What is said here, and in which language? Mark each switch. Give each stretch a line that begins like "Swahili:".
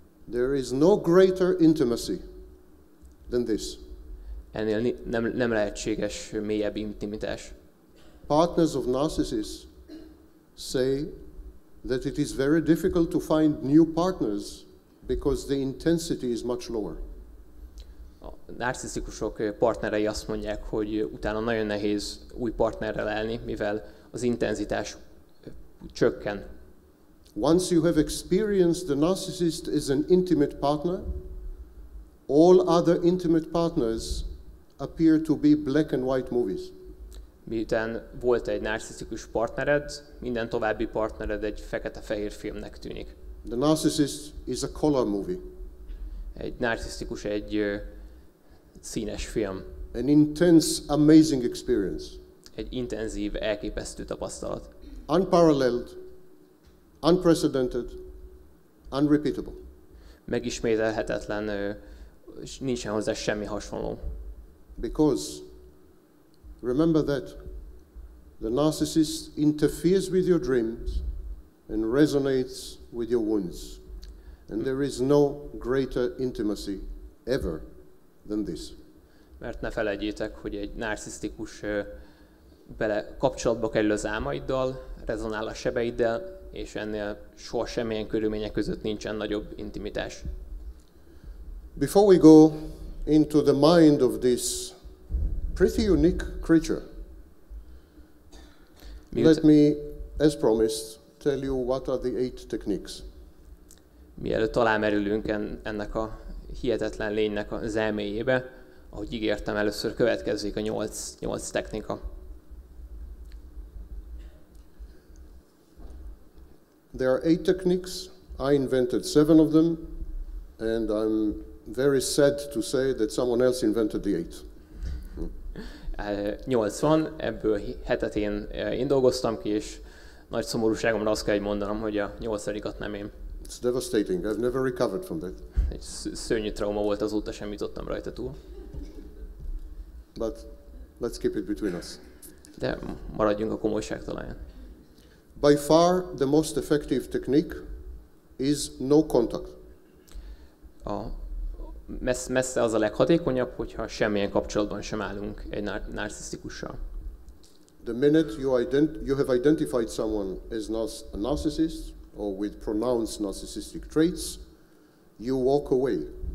English: There is no greater intimacy than this.
Hungarian: Ennél nem lehetséges mélyebb intimitás.
English: Partners of narcissists say that it is very difficult to find new partners because the intensity is much lower.
Hungarian: A narcisztikusok partnerei azt mondják, hogy utána nagyon nehéz új partnerrel élni, mivel az intenzitás csökken.
English: Once you have experienced the narcissist as an intimate partner, all other intimate partners appear to be black and white movies.
Hungarian: Miután volt egy narcisztikus partnered, minden további partnered egy fekete-fehér filmnek tűnik.
English: The narcissist is a color movie.
Hungarian: Egy narcisztikus egy színes film.
English: An intense, amazing experience.
Hungarian: Egy intenzív, elképesztő tapasztalat.
English: Unparalleled, unprecedented, unrepeatable.
Hungarian: Megismételhetetlen, és nincsen hozzá semmi hasonló.
English: Because remember that the narcissist interferes with your dreams and resonates with your wounds. And there is no greater intimacy ever than this.
Hungarian: Mert ne felejtjétek, hogy egy narcisztikus bele kapcsolatba kerül az álmaiddal, rezonál a sebeiddel, és ennél soha semmilyen körülmények között nincsen nagyobb intimitás.
English: Before we go into the mind of this pretty unique creature, let me, as promised, tell you what are the eight techniques.
Hungarian: Mielőtt alámerülünk ennek a hihetetlen lénynek az elméjébe, ahogy ígértem, először következik a 8 technika.
English: There are 8 techniques. I invented 7 of them, and I'm very sad to say that someone else invented the 8.
Hungarian: 80, ebből 7-et én dolgoztam ki, és nagy szomorúságomra azt kell, hogy mondanom, hogy a 8-at nem én.
English: It's devastating. I've never recovered from that.
Hungarian: Egy szörnyű trauma volt, azóta sem jutottam rajta túl.
English: But let's keep it between us.
Hungarian: De maradjunk a komolyság talaján.
English: By far the most effective technique is no contact.
Hungarian: A messze az a leghatékonyabb, hogyha semmilyen kapcsolatban sem állunk egy narcisztikussal.
English: The minute you have identified someone as a narcissist or with pronounced narcissistic traits, you walk away.